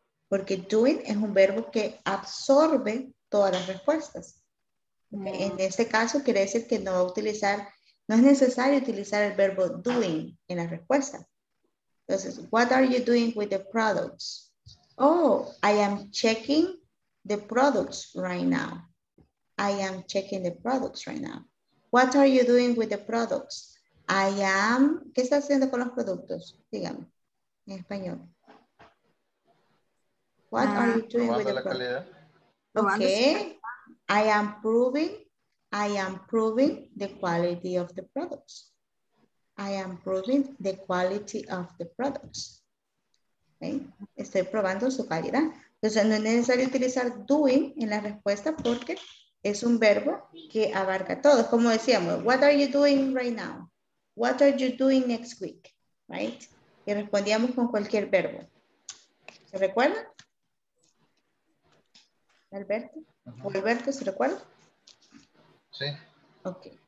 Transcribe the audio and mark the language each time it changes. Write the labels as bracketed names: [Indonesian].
[Spanish] Porque doing es un verbo que absorbe todas las respuestas. Okay. En este caso, quiere decir que no va a utilizar, no es necesario utilizar el verbo doing en la respuesta. [English] Entonces, what are you doing with the products? Oh, I am checking the products right now. I am checking the products right now. What are you doing with the products? I am, [Spanish] ¿qué está haciendo con los productos? Dígame, en español. [English] What are you doing with the [Spanish] calidad? [English] Okay, I am proving the quality of the products. I am proving the quality of the products. [Spanish] Okay, estoy probando su calidad. Entonces no es necesario utilizar doing en la respuesta porque es un verbo que abarca todo. Como decíamos, [English] what are you doing right now? What are you doing next week? Right? [Spanish] Y respondíamos con cualquier verbo. ¿Se recuerda? ¿Alberto? Uh-huh. ¿Alberto se recuerda? Sí. [English] Ok.